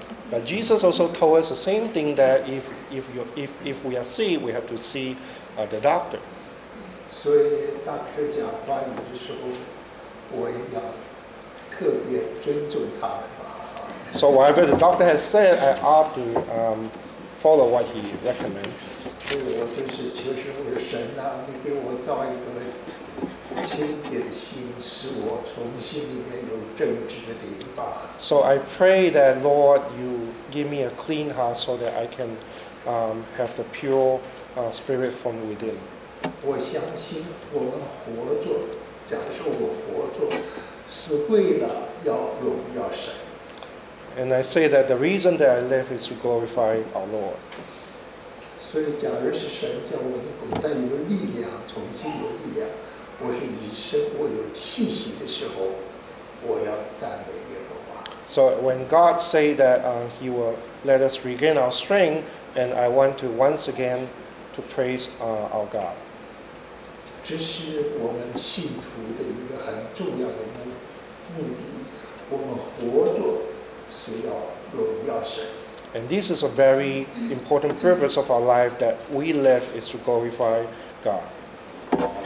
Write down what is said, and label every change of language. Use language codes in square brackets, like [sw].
[en] But Jesus also told us the same thing that if we are sick, we have to see the doctor. [zh] 所以大哥讲话有的时候我也要特别尊重他们吧。 [en] So whatever the doctor has said, I ought to follow what he recommends. [zh] 所以我就是求神，我的神啊，你给我造一个清洁的心，使我从心里面有正直的灵吧。 [en] So I pray that Lord, you give me a clean heart so that I can, have the pure, spirit from within. [zh] 我相信我们活着，假设我活着，是为了要荣耀神。 [en] And I say that the reason that I live is to glorify our Lord. [zh] 所以假如是神叫我能够再有力量，重新有力量，我是以身我有气息的时候，我要赞美耶和华。 [en] So when God say that, he will let us regain our strength, and I want to once again to praise, our God. [zh] 这是我们信徒的一个很重要的目的，我们活着。 [en] And this is a very important purpose of our life that we live is to glorify God.